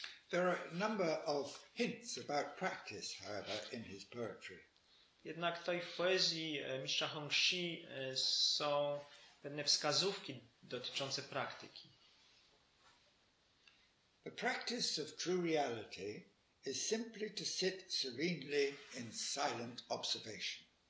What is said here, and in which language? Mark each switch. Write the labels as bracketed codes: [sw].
[en] There are a number of hints about practice, however, in his poetry. [pl] Jednak tutaj w poezji mistrza Hongxi są pewne wskazówki dotyczące praktyki. [en] The practice of true reality is simply to sit serenely in silent observation.